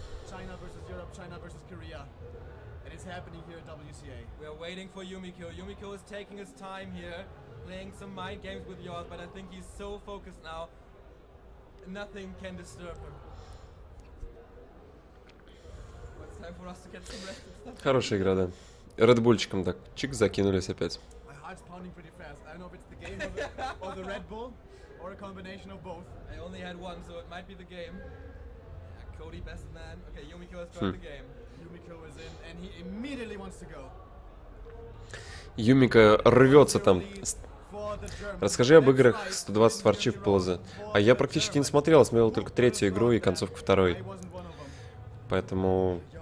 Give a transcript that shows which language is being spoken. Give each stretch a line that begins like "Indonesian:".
English: China versus Europe, China versus Korea. And it's happening here at WCA. We are waiting for Yumiko. Yumiko is taking his time here, playing some mind games with Yoz, but I think he's so focused now, nothing can disturb him. Well, it's time for us to get some rest.
Russian: Хорошая игра, да. Редбульчиком так, чик, закинулись опять.
English: My heart's pounding pretty fast, I don't know if it's the game or the Red Bull. Or a combination of both. I only had one, so it might be the game. Cody, best man. Okay, Yumiko has got the game. Yumiko is in, and he immediately wants to go.
Russian: Yumiko рвется там. Расскажи об играх 120 Warchief Plaza. А я практически не смотрел, смотрел только третью игру и концовку второй. Поэтому...